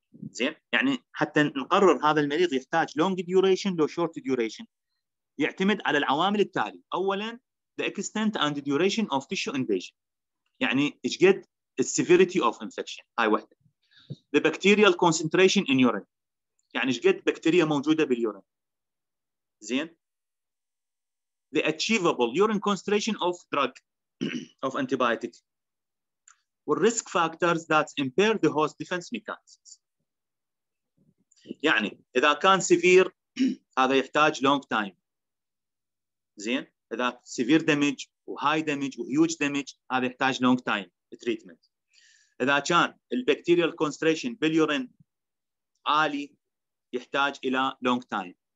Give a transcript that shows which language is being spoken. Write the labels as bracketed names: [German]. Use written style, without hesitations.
[Arabic] زين؟ يعني حتى نقرر هذا المريض يحتاج long duration لو short duration. يعتمد على العوامل التالية، أولاً [English] the extent and the duration of tissue invasion. [Arabic] يعني شقد السيفيريتي of infection، هاي وحدة. [English] The bacterial concentration in urine. [Arabic] يعني شقد بكتيريا موجودة باليورين. زين؟ [English] The achievable urine concentration of drug of antibiotic or risk factors that impair the host defense mechanisms. [Arabic] يعني إذا كان severe هذا يحتاج long time. [English] زين إذا severe damage وhigh damage وhuge damage [Arabic] هذا يحتاج [English] long time treatment. [Arabic] إذا كان البكتيريال concentration باليورين عالي يحتاج إلى long time.